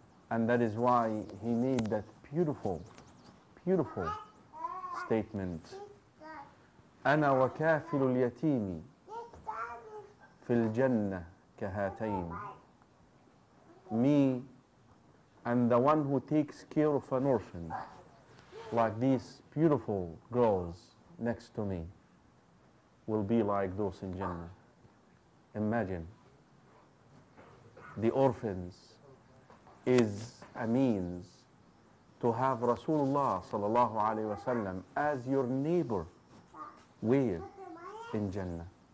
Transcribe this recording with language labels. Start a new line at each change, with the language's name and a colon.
English: And that is why he made that beautiful, beautiful statement.
Arabic: أنا وكافل اليتيم في الجنة كهاتين.
English: Me and the one who takes care of an orphan like these beautiful girls next to me will be like those in Jannah. Imagine, the orphans is a means to have Rasulullah sallallahu alayhi wa sallam as your neighbor with in Jannah.